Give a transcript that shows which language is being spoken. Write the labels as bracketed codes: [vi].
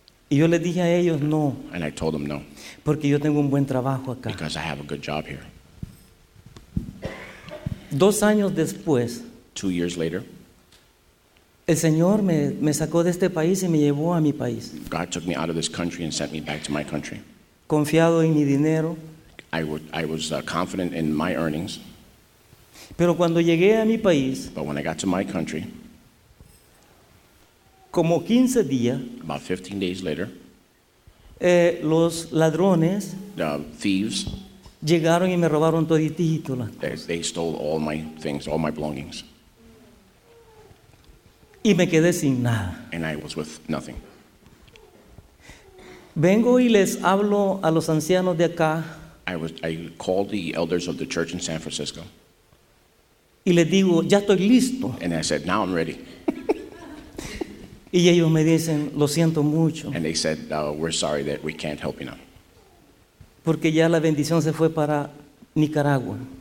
[es] Y yo le dije a ellos no. [en] And I told them no. [es] Porque yo tengo un buen trabajo acá. [en] Because I have a good job here. [es] 2 años después. [en] 2 years later. [es] El Señor me sacó de este país y me llevó a mi país. [en] God took me out of this country and sent me back to my country. [es] Confiado en mi dinero. [en] I was confident in my earnings. [es] Pero cuando llegué a mi país. [en] But when I got to my country. [es] Como 15 días. [en] About 15 days later. [es] Los ladrones. [en] The thieves. [es] Llegaron y me robaron toditito. [en] They stole all my things, all my belongings. [es] Y me quedé sin nada. [en] And I was with nothing. [es] Vengo y les hablo a los ancianos de acá. [en] I called the elders of the church in San Francisco. [es] Y les digo, ya estoy listo. [en] And I said, now I'm ready. [es] Y ellos me dicen, lo siento mucho. [en] And they said, we're sorry that we can't help you now. [es] Porque ya la bendición se fue para Nicaragua.